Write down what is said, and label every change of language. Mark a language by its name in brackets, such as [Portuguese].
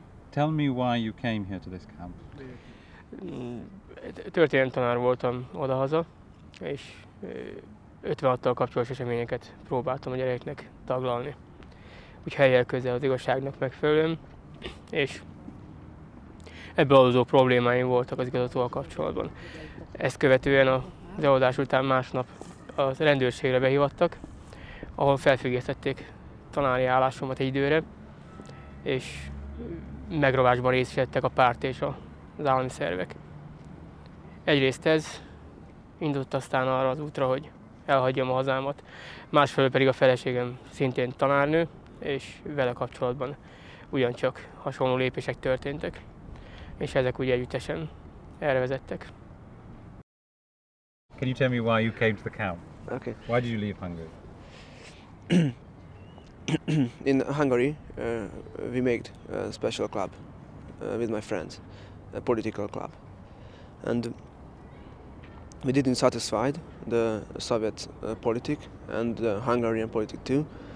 [English] Tell me why you came here to this camp. [Hungarian] Történelmi tanár voltam odahaza, és 56-tal kapcsolatos eseményeket próbáltam a gyereknek taglalni. Úgy helyjel közel az igazságnak megfelelően, és ebből adódó problémáim voltak az igazgatóval kapcsolatban. Ezt követően az előadás után másnap a rendőrségre behívattak, ahol felfüggesztették tanári állásomat egy időre, és megrovásban részesedtek a párt és az állami szervek. Egyrészt ez indult aztán arra az útra, hogy elhagyjam a hazámat, másfelől pedig a feleségem szintén tanárnő, és vele kapcsolatban ugyancsak hasonló lépések történtek, és ezek úgy együttesen erre vezettek. [English] Can you tell me why you came to the camp? Okay. Why did you leave Hungary? In Hungary, we made a special club with my friends, a political club. And we didn't satisfy the Soviet politic and the Hungarian politic too.